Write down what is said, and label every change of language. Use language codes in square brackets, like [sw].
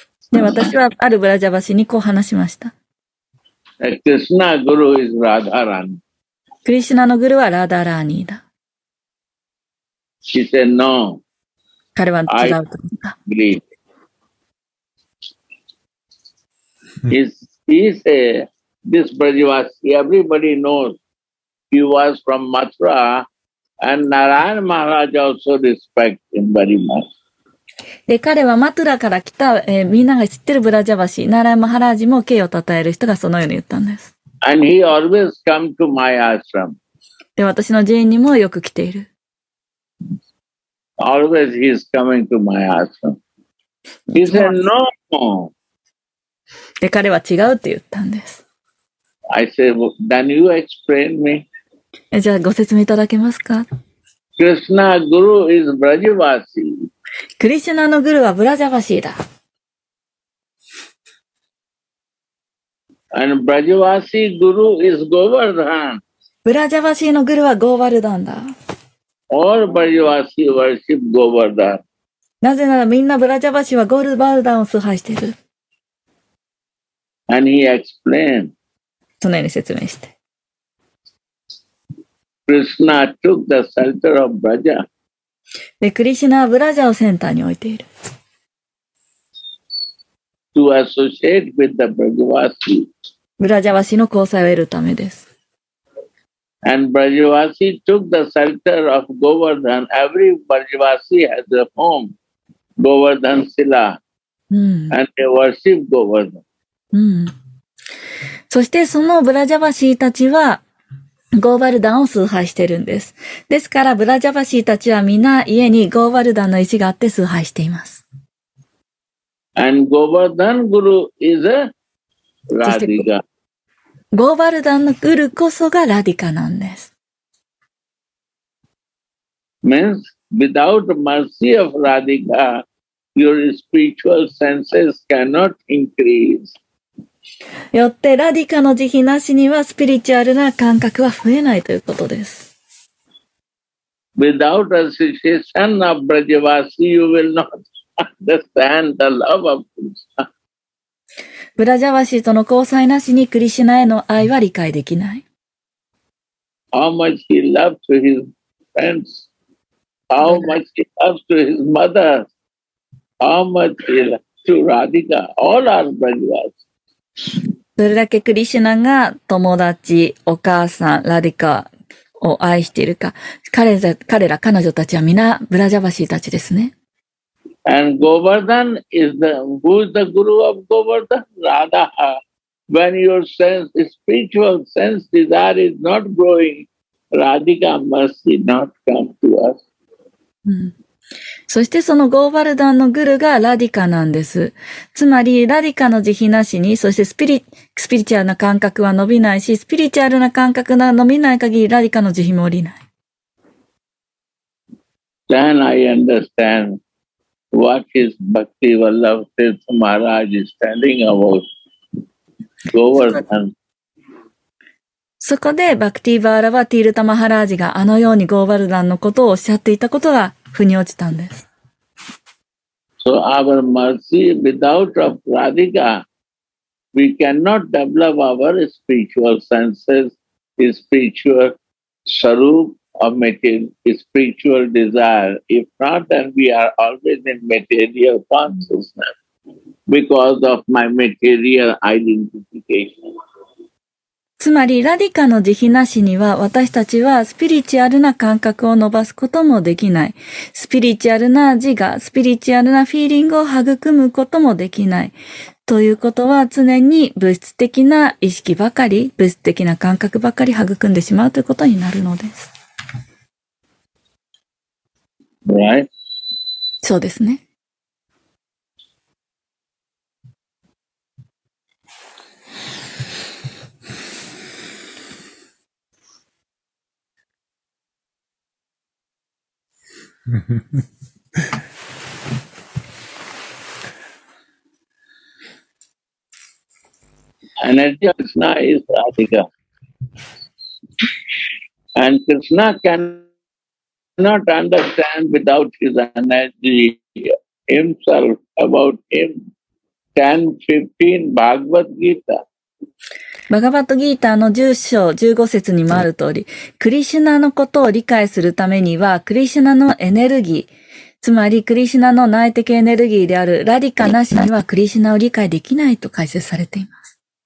[ja] で私はあるブラジャバシにこう話しました。 [en] Krishna Guru is Radharani. [ja] クリシュナのグルはラダーラーニーだ。 [en] She said no. [ja] 彼は違うと思った。 [en] He said this Brajavasi, everybody knows he was from Mathura. And Narayan Maharaj also respect him very much. [ja] で彼はマトゥラから来た、みんなが知ってるブラジャバシ、ナラヤン・マハラージも敬意を称える人がそのように言ったんです。 [en] And he always come to my ashram. [ja] で私の寺院にもよく来ている。 [en] Always he is coming to my ashram. He said no. [ja] で彼は違うと言ったんです。 [en] I said, well, then you explain me. [ja] じゃあご説明いただけますか。 [en] Krishna Guru is Brajavasi. [ja] クリシュナのグルはブラジャバシーだ。 [en] And Brajavasi Guru is Govardhan. [ja] ブラジャバシーのグルはゴーバルダンだ。 [en] All Brajavasi worship Govardhan. [ja] なぜならみんなブラジャバシーはゴールバルダンを崇拝している。 [en] And he explained. [ja] そのように説明して。 [en] Krishna took the center of Braja. [ja] で、クリシュナはブラジャをセンターに置いている。 [en] To associate with the Brajavasi. [ja] ブラジャワシの交際を得るためです。 [en] And Brajavasi took the center of Govardhan. Every Brajavasi has a home, Govardhan Sila. And they worship Govardhan. [ja] そしてそのブラジャワシたちは、ゴーバルダンを崇拝してるんです。ですから、ブラジャバシーたちはみんな家にゴーバルダンの石があって崇拝しています。 [en] And Govardhan Guru is a Radhika. [ja] ゴーバルダンのグルこそがラディカなんです。 [en] Means, without mercy of Radhika, your spiritual senses cannot increase. [ja] よってラディカの慈悲なしにはスピリチュアルな感覚は増えないということです。 [en] Without association of Brajavasi, you will not understand the love of Krishna. [ja] ブラジャワシとの交際なしにクリシュナへの愛は理解できない。 [en] How much he loves to his friends, how much he loves to his mother, how much he loves to Radhika, all are Brajavasi. [ja] どれだけクリシュナが友達、お母さん、ラディカを愛しているか、彼ら、彼女たちは皆ブラジャバシーたちですね。 [en] And Govardhan is the, who is the guru of Govardhan? Radha. When your sense, spiritual sense desire is not growing, Radhika must not come to us. [ja] そしてそのゴーバルダンのグルがラディカなんです。つまりラディカの慈悲なしに、そしてスピリチュアルな感覚は伸びないし、スピリチュアルな感覚が伸びない限りラディカの慈悲も降りない。 [en] Then I understand what is Bhakti Vallabha Tirth Maharaj is telling about Govardhan. [ja] そこでバクティ・バーラはティールタ・マハラージがあのようにゴーバルダンのことをおっしゃっていたことが腑に落ちたんです。 [en] So our mercy without of Radhika, we cannot develop our spiritual senses, spiritual sarup of material, spiritual desire. If not, then we are always in material consciousness because of my material identification. [ja] つまりラディカの慈悲なしには私たちはスピリチュアルな感覚を伸ばすこともできない、スピリチュアルな自我、スピリチュアルなフィーリングを育むこともできないということは、常に物質的な意識ばかり、物質的な感覚ばかり育んでしまうということになるのです。 [en] Right? [ja] そうですね。 [en] Energy of Krishna is Radhika. And Krishna cannot understand without his energy himself about him. 10-15 Bhagavad Gita. [ja] バガバットギーターの10章15節にもある通り、クリシュナのことを理解するためにはクリシュナのエネルギー、つまりクリシュナの内的エネルギーであるラディカなしにはクリシュナを理解できないと解説されています。